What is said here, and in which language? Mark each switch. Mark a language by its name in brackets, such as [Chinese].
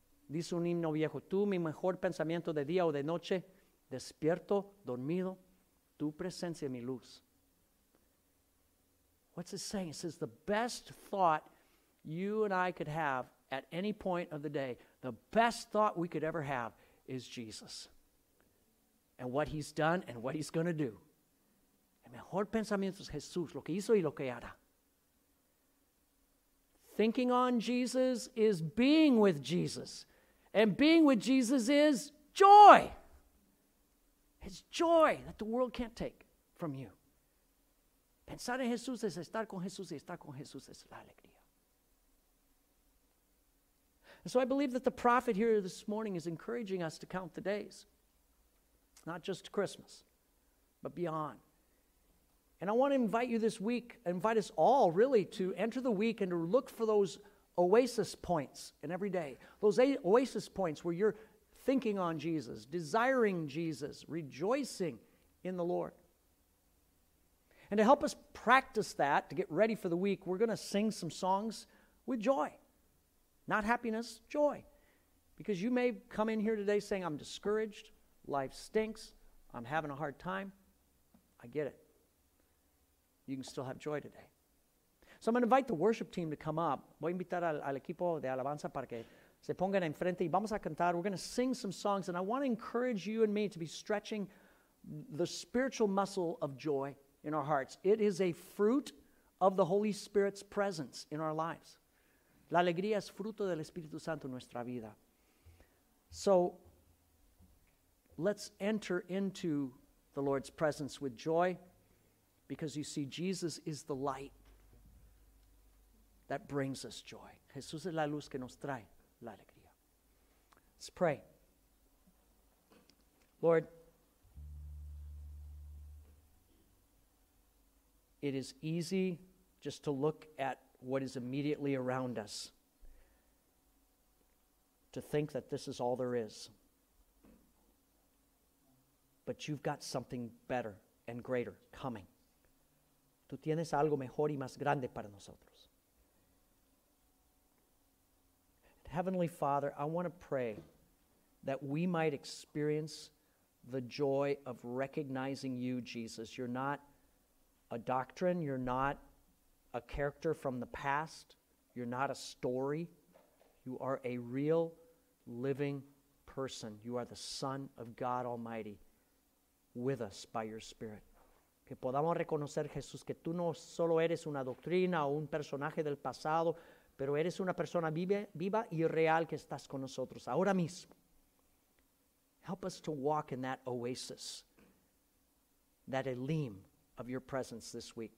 [Spanish] Dice un himno viejo, tú mi mejor pensamiento de día o de noche, despierto, dormido, tu presencia, mi luz. [English] What's it saying? It says, the best thought you and I could have at any point of the day, the best thought we could ever have is Jesus. And what he's done and what he's going to do. [Spanish] El mejor pensamiento es Jesús, lo que hizo y lo que hará. [English] Thinking on Jesus is being with Jesus. And being with Jesus is joy. It's joy that the world can't take from you. [Spanish] Pensar en Jesús es estar con Jesús y estar con Jesús es la alegría. [English] And so I believe that the prophet here this morning is encouraging us to count the days. Not just Christmas, but beyond. And I want to invite you this week, invite us all really to enter the week and to look for those oasis points in every day. Those oasis points where you're thinking on Jesus, desiring Jesus, rejoicing in the Lord. And to help us practice that, to get ready for the week, we're going to sing some songs with joy. Not happiness, joy. Because you may come in here today saying, I'm discouraged. Life stinks. I'm having a hard time. I get it. You can still have joy today. So I'm going to invite the worship team to come up. [Spanish] Voy a invitar al equipo de alabanza para que se pongan enfrente y vamos a cantar. [English] We're going to sing some songs, and I want to encourage you and me to be stretching the spiritual muscle of joy in our hearts. It is a fruit of the Holy Spirit's presence in our lives. [Spanish] La alegría es fruto del Espíritu Santo en nuestra vida. [English] So let's enter into the Lord's presence with joy, because you see, Jesus is the light that brings us joy. [Spanish] Jesús es la luz que nos trae la alegría. [English] Let's pray. Lord, it is easy just to look at what is immediately around us, to think that this is all there is. But you've got something better and greater coming. [Spanish] Tú tienes algo mejor y más grande para nosotros. [English] Heavenly Father, I want to pray that we might experience the joy of recognizing you, Jesus. You're not a doctrine. You're not a character from the past. You're not a story. You are a real living person. You are the Son of God Almighty with us by your Spirit. [Spanish] Que podamos reconocer, Jesús, que tú no solo eres una doctrina o un personaje del pasado, pero eres una persona viva y real que estás con nosotros ahora mismo. [English] Help us to walk in that oasis, that elim of your presence this week.